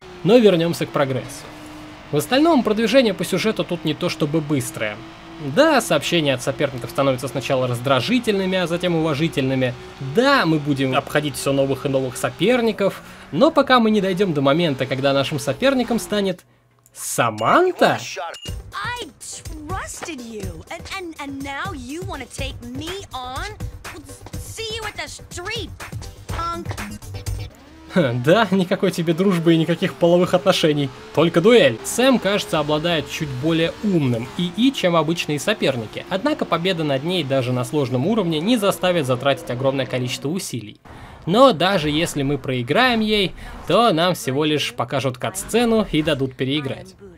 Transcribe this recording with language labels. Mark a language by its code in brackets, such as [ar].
[ru] Но вернемся к прогрессу. В остальном продвижение по сюжету тут не то чтобы быстрое. Да, сообщения от соперников становятся сначала раздражительными, а затем уважительными. Да, мы будем обходить все новых и новых соперников. Но пока мы не дойдем до момента, когда нашим соперником станет... Саманта? [en] I trusted you, and now you want to take me on? See you at the street, punk. [ru] Да, никакой тебе дружбы и никаких половых отношений. Только дуэль. Сэм, кажется, обладает чуть более умным ИИ, чем обычные соперники. Однако победа над ней даже на сложном уровне не заставит затратить огромное количество усилий. Но даже если мы проиграем ей, то нам всего лишь покажут катсцену и дадут переиграть.